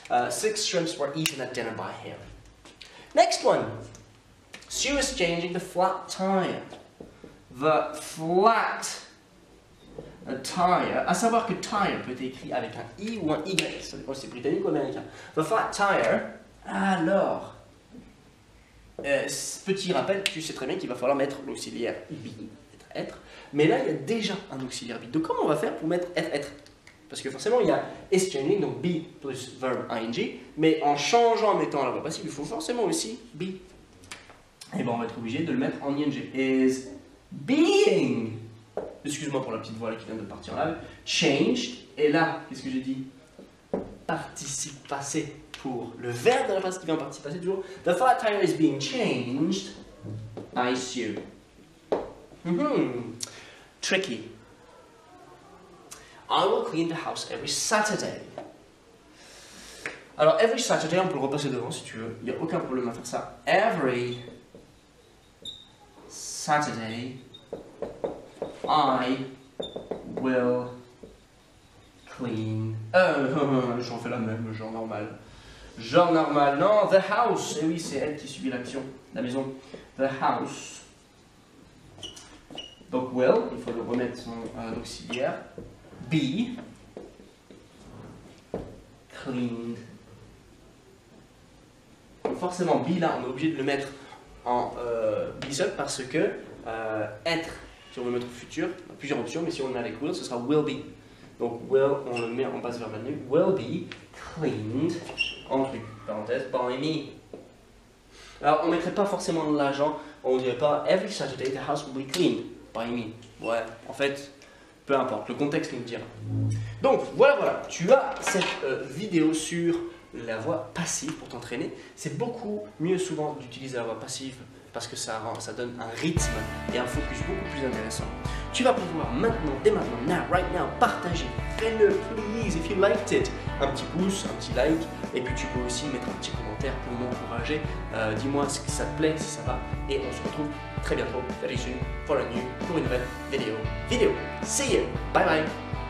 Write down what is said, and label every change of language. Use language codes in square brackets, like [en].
[en] 6 shrimps were eaten at dinner by Harry. Next one. Sue is changing the flat tire. The flat tire. [fr] A savoir que tire peut être écrit avec un I ou un Y. Ça dépend si c'est britannique ou américain. [en] The flat tire. [fr] Alors. Petit rappel, tu sais très bien qu'il va falloir mettre l'auxiliaire be, être. Mais là, il y a déjà un auxiliaire be. Donc, comment on va faire pour mettre être? Parce que forcément, il y a [en] is changing, [fr] donc be plus verb ing, mais en changeant, en mettant la voix passive, il faut forcément aussi be. Et bien, on va être obligé de le mettre en ing. [en] Is being, [fr] excuse-moi pour la petite voix là qui vient de partir là, [en] changed, [fr] et là, qu'est-ce que j'ai dit? Participe passé pour le verbe de la phrase qui vient en participe passé toujours. [en] The flat tire is being changed by Sue. Tricky. I will clean the house every Saturday. [fr] Alors, every Saturday, on peut le repasser devant si tu veux. Il n'y a aucun problème à faire ça. [en] Every Saturday, I will clean. [fr] J'en fais la même, genre normal. Genre normal. Non, [en] the house. [fr] Eh oui, c'est elle qui subit l'action. La maison. [en] The house. [fr] Donc, will, il faut le remettre son auxiliaire. [en] Be cleaned. [fr] Donc forcément, be là, on est obligé de le mettre en be seul parce que être, si on veut mettre au futur, on a plusieurs options, mais si on le met avec will, ce sera will be. Donc will, on le met en base verbe nu. [en] Will be cleaned, [fr] entre parenthèses, [en] by me. [fr] Alors, on ne mettrait pas forcément l'agent, on ne dirait pas [en] every Saturday the house will be cleaned by me. [fr] Ouais, en fait. Peu importe, le contexte nous le dira. Donc, voilà, tu as cette vidéo sur la voix passive pour t'entraîner. C'est beaucoup mieux souvent d'utiliser la voix passive parce que ça donne un rythme et un focus beaucoup plus intéressant. Tu vas pouvoir maintenant, dès maintenant, [en] now, right now, [fr] partager. Fais-le, [en] please, if you liked it. [fr] Un petit pouce, un petit like. Et puis, tu peux aussi mettre un petit commentaire pour m'encourager. Dis-moi si ça te plaît, si ça va. Et on se retrouve très bientôt, [en] very soon, for a new, [fr] pour une nouvelle vidéo. [en] See you. Bye bye.